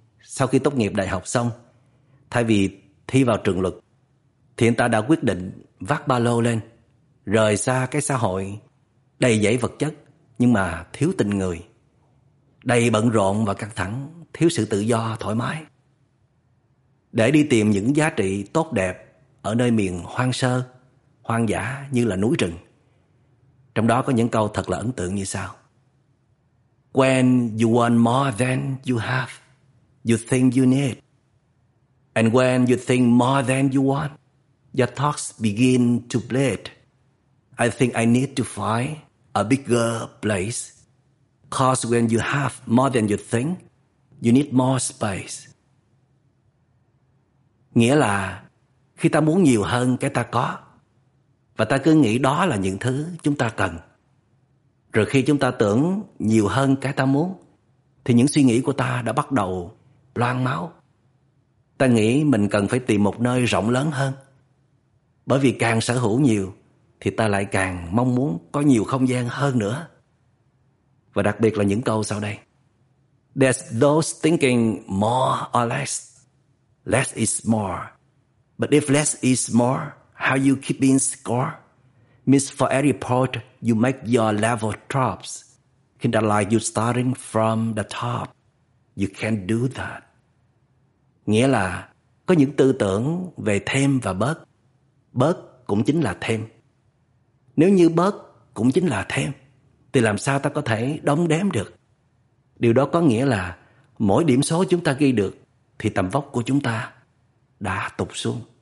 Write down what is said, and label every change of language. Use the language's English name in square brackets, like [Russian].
[Vietnamese] Sau khi tốt nghiệp đại học xong, thay vì thi vào trường luật thì anh ta đã quyết định vác ba lô lên, rời xa cái xã hội đầy dẫy vật chất nhưng mà thiếu tình người, đầy bận rộn và căng thẳng, thiếu sự tự do, thoải mái. Để đi tìm những giá trị tốt đẹp ở nơi miền hoang sơ, hoang dã như là núi rừng. Trong đó có những câu thật là ấn tượng như sau. [English] When you want more than you have, you think you need. And when you think more than you want, your thoughts begin to bleed. I think I need to find a bigger place. Cause when you have more than you think, you need more space. [Vietnamese] Nghĩa là khi ta muốn nhiều hơn cái ta có, và ta cứ nghĩ đó là những thứ chúng ta cần, rồi khi chúng ta tưởng nhiều hơn cái ta muốn, thì những suy nghĩ của ta đã bắt đầu loang máu. Ta nghĩ mình cần phải tìm một nơi rộng lớn hơn, bởi vì càng sở hữu nhiều thì ta lại càng mong muốn có nhiều không gian hơn nữa. Và đặc biệt là những câu sau đây. [English] There's those thinking more or less. Less is more. But if less is more, how you keeping score? Means for every point you make your level drops. Kinda like you starting from the top. You can't do that. [Vietnamese] Nghĩa là có những tư tưởng về thêm và bớt. Bớt cũng chính là thêm. Nếu như bớt cũng chính là thêm, thì làm sao ta có thể đong đếm được? Điều đó có nghĩa là mỗi điểm số chúng ta ghi được thì tầm vóc của chúng ta đã tụt xuống.